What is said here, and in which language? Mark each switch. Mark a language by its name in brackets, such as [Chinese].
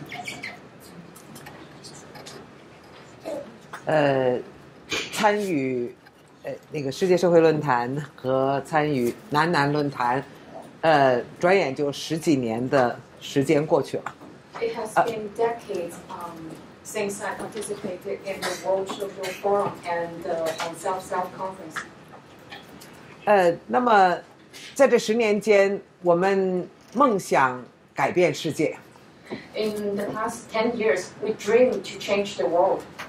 [English] It has been decades since I participated in the World Social Forum and the South-South Conference. [Chinese] 那么在这十年间，我们梦想改变世界。 [English] In the past 10 years, we dreamed to change the world.